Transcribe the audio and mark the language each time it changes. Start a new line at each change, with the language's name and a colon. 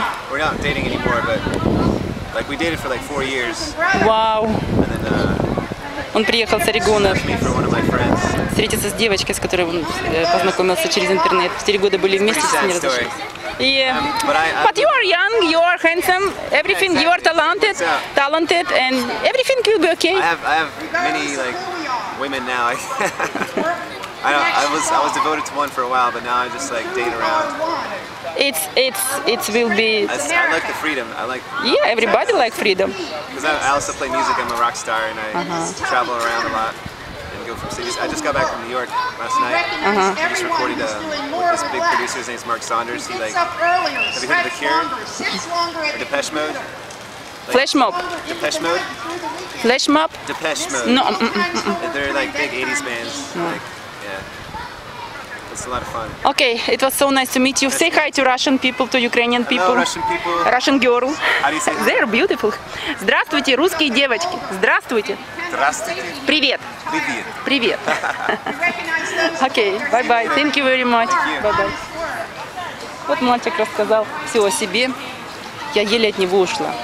English: We're not dating anymore, but. Like we dated for like 4 years. Wow. And then
Russian: он приехал с Орегона. Встретился с девочкой, с которой он познакомился через интернет. 4 года были вместе, с ней разошлись.
English: Yeah. But you are young, you are handsome, everything. Yeah, exactly. You are talented, and everything will be okay. I have many like women now. I was devoted to one for a while, but now I just like date around. It will be. I like the freedom. I like. Yeah, everybody like freedom. Because I also play music. I'm a rock star, and I travel around a lot and go from cities. I just got back from New York last night. I just recorded with this big producer. His name's Mark Saunders. He like. Have you heard of The Cure? Or Depeche Mode. Like, Flash Mob. Depeche Mode. Flash Mob. Depeche Mode. No. They're like big '80s bands. No. Like, it's a lot of fun. Okay, it was so nice to meet you. Say hi to Russian people, to Ukrainian people. Hello, Russian people. Russian girl. How do you say that? They are beautiful.
Russian: Здравствуйте, русские девочки. Здравствуйте. Здравствуйте. Привет. Привет. Привет.
English: Okay, bye-bye. Thank you very much. Bye-bye.
Russian: Вот мальчик рассказал все о себе. Я еле от него ушла.